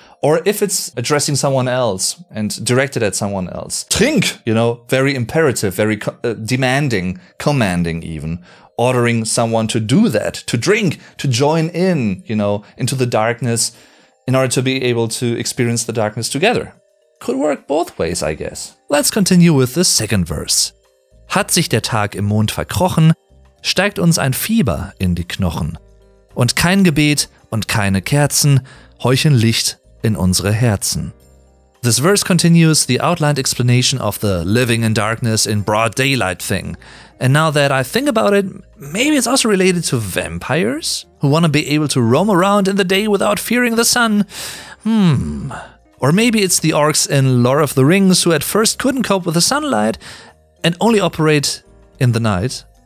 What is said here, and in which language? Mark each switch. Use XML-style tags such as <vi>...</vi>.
<en>Or if it's addressing someone else and directed at someone else. Trink! You know, very imperative, very demanding, commanding even. Ordering someone to do that, to drink, to join in, you know, into the darkness in order to be able to experience the darkness together. Could work both ways, I guess. Let's continue with the second verse.</en> <de>Hat sich der Tag im Mond verkrochen, steigt uns ein Fieber in die Knochen. Und kein Gebet und keine Kerzen heucheln Licht in unsere Herzen.</de> <en>This verse continues the outlined explanation of the living in darkness in broad daylight thing. And now that I think about it, maybe it's also related to vampires? Who want to be able to roam around in the day without fearing the sun? Or maybe it's the orcs in Lord of the Rings who at first couldn't cope with the sunlight and only operate in the night?</en>